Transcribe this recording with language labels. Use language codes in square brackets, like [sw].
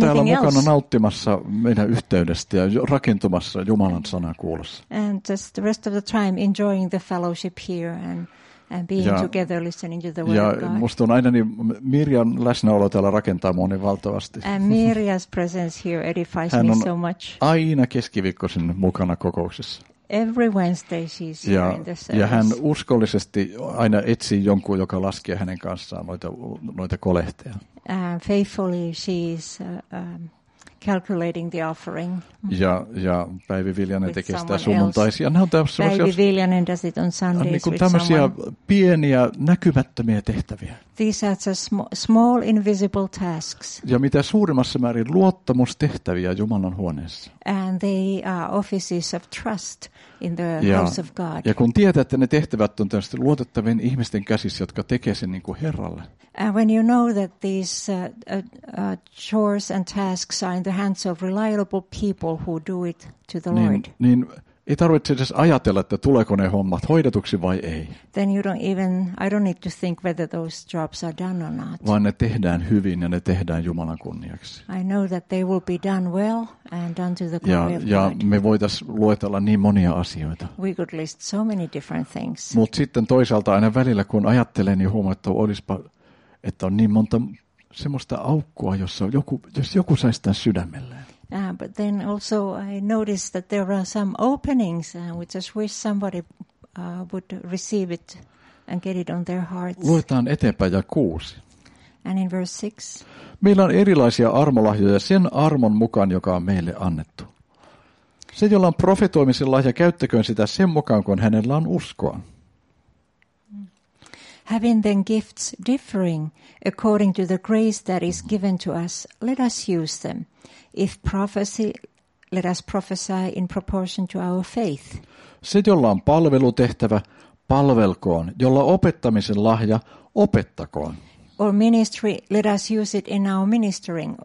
[fi] täällä mukana nauttimassa meidän yhteydestä ja rakentumassa Jumalan sanan kuulossa. [en] And just the rest of the time enjoying the fellowship here and being together listening to the word of God. [fi] Ja musta on aina niin Mirjan läsnäolo täällä rakentaa mua niin valtavasti. [en] And Mirja's presence here edifies me so much. [fi] Hän on aina keskiviikkoisin mukana kokouksessa. [en] Every Wednesday she's here in the service. [fi] Ja hän uskollisesti aina etsii jonkun, joka laskee hänen kanssaan noita kolehteja. [en] Faithfully she's calculating the offering. [fi] Ja Päivi Viljanen tekee sitä sunnuntaisia. Ne on tämmöisiä. [en] Päivi Viljanen does it on Sundays [fi] niin [en] with someone. [fi] Tämmöisiä pieniä näkymättömiä tehtäviä. [en] These are small invisible tasks. [fi] Ja mitä suurimmassa määrin luottamustehtäviä Jumalan huoneessa. [en] And they are offices of trust in the house of God. [fi] Ja kun tietää, että ne tehtävät on tämmöisten luotettavien ihmisten käsissä, jotka tekee sen niin kuin Herralle. [en] And when you know that these chores and tasks are in the hands of reliable people who do it to the Lord. [fi] Niin ei tarvitse edes ajatella, että tuleeko ne hommat hoidetuksi vai ei. [en] Then you don't even, I don't need to think whether those jobs are done or not. [fi] Vaan ne tehdään hyvin ja ne tehdään Jumalan kunniaksi. [en] I know that they will be done well and done to the glory [fi] ja, [en] of God. [fi] Ja me voitaisiin luetella niin monia asioita. [en] We could list so many different things. [fi] Mutta sitten toisaalta aina välillä, kun ajattelen, niin huomaa, että olisipa, että on niin monta semmoista aukkoa, jossa joku, jos joku saisi tämän sydämelleen. [en] But then also I noticed that there are some openings and we just wish somebody would receive it and get it on their hearts. [fi] Luetaan eteenpäin ja 6. [en] And in verse 6. [fi] Meillä on erilaisia armolahjoja sen armon mukaan, joka on meille annettu. Se, jolla on profetoimisen lahja, käyttäköön sitä sen mukaan, kun hänellä on uskoa. [en] Having then gifts differing according to the grace that is given to us, let us use them. If prophecy, let us prophesy in proportion to our faith. [fi] Se, jolla on palvelutehtävä, palvelkoon. Jolla opettamisen lahja, opettakoon. [en] Or ministry, let us use it in our ministering.